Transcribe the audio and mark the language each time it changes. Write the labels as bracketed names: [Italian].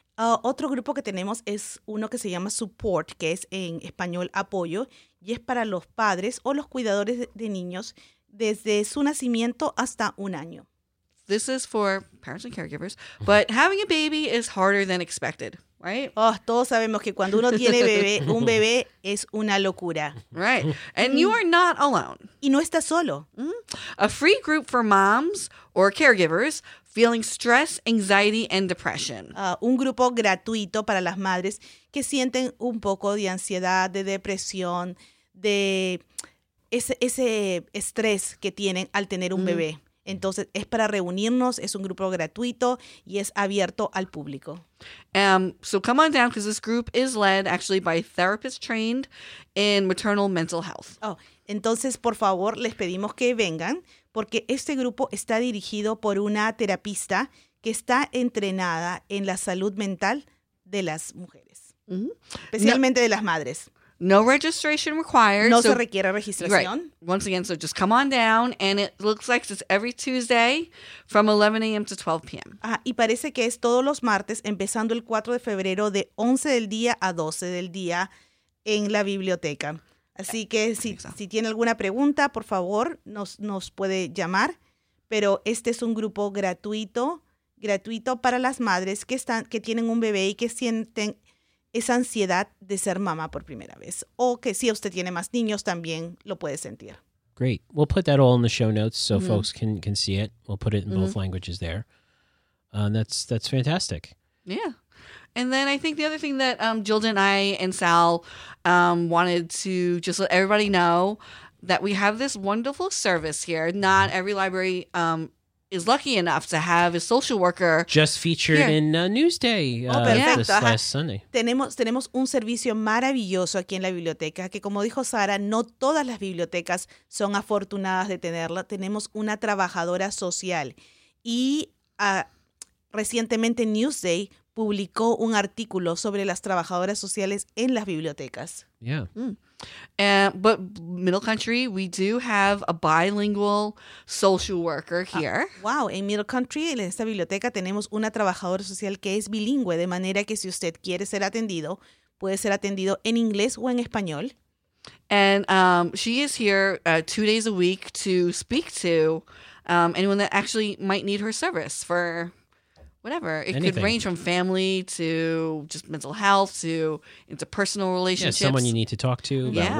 [Spanish] Otro grupo que tenemos es uno que se llama Support, que es en español apoyo, y es para los padres o los cuidadores de niños desde su nacimiento hasta un año. [English] This is for parents and caregivers, but having a baby is harder than expected, right? [Spanish] Oh, todos sabemos que cuando uno tiene bebé, un bebé es una locura. [English] Right, and you are not alone. [Spanish] Y no estás solo. [English] A free group for moms or caregivers feeling stress, anxiety, and depression. [Spanish] Un grupo gratuito para las madres que sienten un poco de ansiedad, de depresión, de ese estrés que tienen al tener un bebé. Entonces, es para reunirnos, es un grupo gratuito y es abierto al público. [English] So come on down, because this group is led actually by therapists trained in maternal mental health. [Spanish] Oh, entonces, por favor, les pedimos que vengan, porque este grupo está dirigido por una terapista que está entrenada en la salud mental de las mujeres, especialmente de las madres. [English] No registration required. [Spanish] No se requiere registración. [English] Right. Once again, so just come on down. And it looks like it's every Tuesday from 11 a.m. to 12 p.m. [Spanish] Y parece que es todos los martes, empezando el 4 de febrero de 11 del día a 12 del día en la biblioteca. Así que si tiene alguna pregunta, por favor, nos puede llamar. Pero este es un grupo gratuito para las madres que tienen un bebé y que sienten esa ansiedad de ser mamá por primera vez. O que si usted tiene más niños, también lo puede sentir. [English] Great. We'll put that all in the show notes so folks can see it. We'll put it in both languages there. That's fantastic. Yeah. And then I think the other thing that Jill and I and Sal wanted to just let everybody know that we have this wonderful service here. Not every library is lucky enough to have a social worker. Just featured here in Newsday this last Sunday. [Spanish] Tenemos un servicio maravilloso aquí en la biblioteca que, como dijo Sara, no todas las bibliotecas son afortunadas de tenerla. Tenemos una trabajadora social. Y recientemente Newsday publicó un artículo sobre las trabajadoras sociales en las bibliotecas. [English] Yeah. But Middle Country, we do have a bilingual social worker here. [Spanish] Wow, en Middle Country, en esta biblioteca, tenemos una trabajadora social que es bilingüe, de manera que si usted quiere ser atendido, puede ser atendido en inglés o en español. [English] And she is here 2 days a week to speak to anyone that actually might need her service for whatever. It Anything. Could range from family to just mental health to interpersonal relationships. Yeah, someone you need to talk to, yeah.